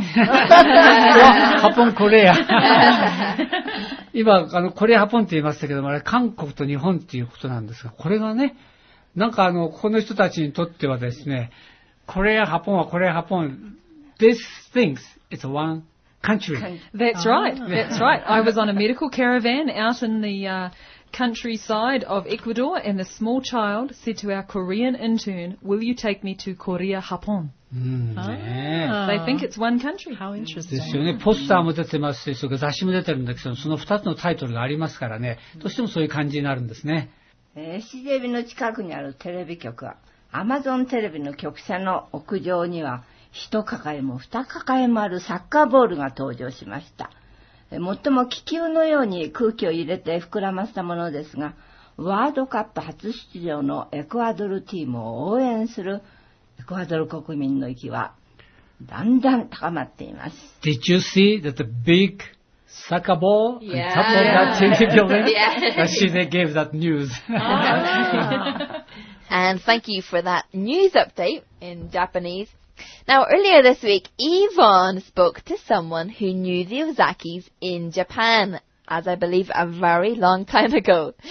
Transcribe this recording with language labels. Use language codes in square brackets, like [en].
[ja] ハポンコリア。今、コリアハポンって言いましたけども、あれ、韓国と日本っていうことなんですが、これがね、なんかこの人たちにとってはですね、コリアハポンはコリアハポン。 [en] This things, it's one. Country. That's right. That's right. I was on a medical caravan out in the countryside of Ecuador, and the small child said to our Korean intern, "Will you take me to Korea Hapon?" They think it's one country. How interesting. [ja] ですよね。ポスターも出てますし、それから雑誌も出てるんだけど、その二つのタイトルがありますからね。どうしてもそういう感じになるんですね。 CJB の近くにあるテレビ局は、Amazon テレビの局舎の屋上には。一抱えも二抱えもあるサッカーボールが登場しました。もっとも気球のように空気を入れて膨らませたものですが、ワールドカップ初出場のエクアドルチームを応援するエクアドル国民の意気はだんだん高まっています。 [en] Did you see that the big soccer ball on top of that TV building? Yeah. She they gave that news. And thank you for that news update in Japanese. Now, earlier this week, Yvonne spoke to someone who knew the Ozakis in Japan, as I believe a very long time ago.